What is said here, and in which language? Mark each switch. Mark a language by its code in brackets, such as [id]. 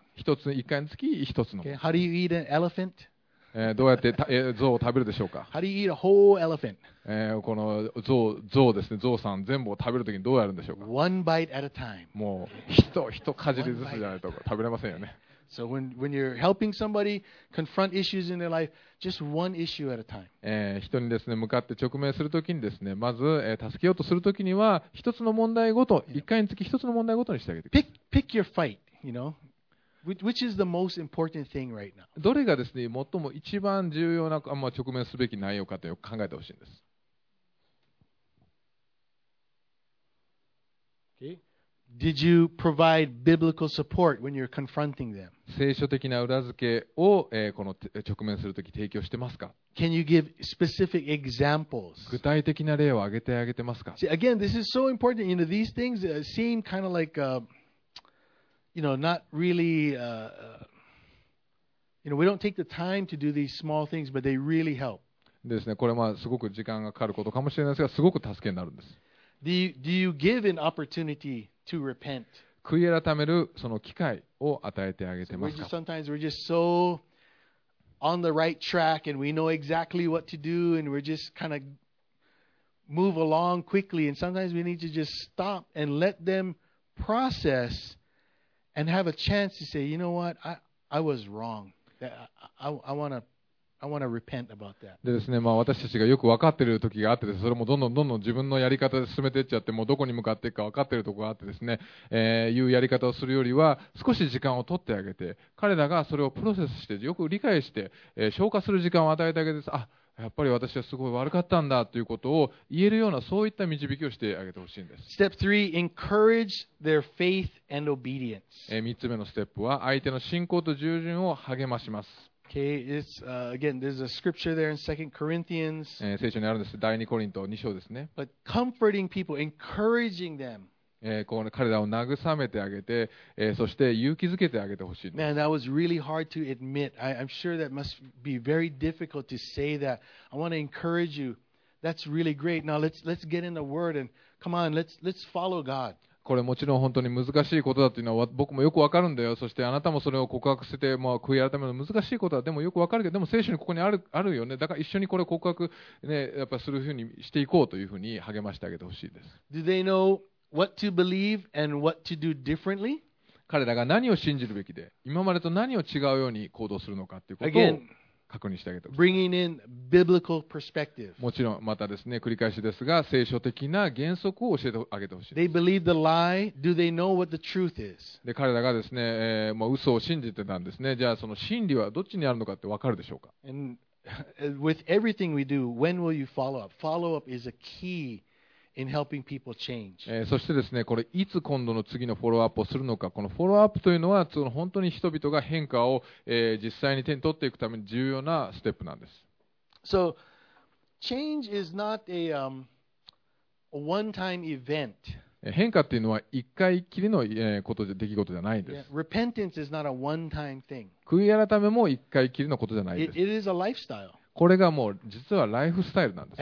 [ja] 一つ一回につき一つの。 [en] Okay, how do you eat an elephant? [ja] どうやって象を食べるでしょうか。 [en] How do you eat a whole elephant? [ja] この象ですね、象さん全部を食べるときにどうやるんでしょうか。 [en] One bite at a time. [ja] もう一かじりずつじゃないと食べれませんよね。 [en] So when you're helping somebody confront issues in their life, just one issue at a time. [ja] 人にですね、向かって直面するときにですね、まず、助けようとするときには、一つの問題ごと、一回につき一つの問題ごとにしてあげてください。 [en] Pick your fight, you know? Which is the most important thing right now? [ja] どれがですね、最も一番重要な、まあ、直面すべき内容かと考えてほしいんです。 [en] Okay. Did you provide biblical support when you're confronting them? [ja] 聖書的な裏付けを、この直面するとき提供してますか? [en] Can you give specific examples? [ja] 具体的な例を挙げてあげてますか? [en] See, again, this is so important. You know, these things seem kind of like, you know, not really, you know, we don't take the time to do these small things, but they really help. [ja] ですね、これはすごく時間がかかることかもしれないですが、すごく助けになるんです。 [en] Do you give an opportunity? To repent. [ja] 悔い改めるその機会を与えてあげてますか。 [en] Sometimes we're just so on the right track and we know exactly what to do and we're just kind of move along quickly and sometimes we need to just stop and let them process and have a chance to say, you know what, I was wrong. I want to repent about that. [ja] でですね、まあ、私たちがよく分かっている時があってです、それもどんどんどんどん自分のやり方で進めていっちゃって、もうどこに向かっていくか分かっているところがあってですね、いうやり方をするよりは、少し時間を取ってあげて、彼らがそれをプロセスして、よく理解して、消化する時間を与えてあげて、あ、やっぱり私はすごい悪かったんだということを言えるような、そういった導きをしてあげてほしいんです。 [en] Step 3, encourage their faith and obedience. [ja] 3つ目のステップは、相手の信仰と従順を励まします。 [en] Okay, it's again. There's a scripture there in 2 Corinthians. [ja] 聖書にあるんです。第2コリント2章ですね。 [en] But comforting people, encouraging them. [ja] こう、ね、彼らを慰めてあげて、そして勇気づけてあげてほしいんです。 [en] Man, that was really hard to admit. I'm sure that must be very difficult to say that. I want to encourage you. That's really great. Now let's get in the Word and come on. Let's follow God. [ja] これもちろん本当に難しいことだというのは僕もよくわかるんだよ。そしてあなたもそれを告白して、まあ、悔い改めるの難しいことだ。でもよくわかるけど、でも聖書にここにあるよね。だから一緒にこれを告白、ね、やっぱするふうにしていこうというふうに励ましてあげてほしいです。 [en] Do they know what to believe and what to do differently? [ja] 彼らが何を信じるべきで、今までと何を違うように行動するのかということを。 [en] Again. [ja] 確認してあげてください [en] 。 Bringing in biblical perspective. [ja] もちろんまたですね、繰り返しですが、聖書的な原則を教えてあげてほしい。 [en] They believe the lie. Do they know what the truth is? [ja] で、彼らがですね、まあ、嘘を信じてたんですね。じゃあその真理はどっちにあるのかってわかるでしょうか。 [en] And with everything we do, when will you follow up? Follow up is a key. In helping people change. [ja] そしてですね、これいつ今度の次のフォローアップをするのか、このフォローアップというのは、その本当に人々が変化を、実際に手に取っていくために重要なステップなんです。 [en] So, change is not a, a one-time event. [ja] 変化というのは一回きりの、ことで出来事じゃないんです。 [en] Yeah. Repentance is not a one-time thing. [ja] 悔い改めも一回きりのことじゃないです。 [en] It is a lifestyle. [ja] これがもう実はライフスタイルなんです。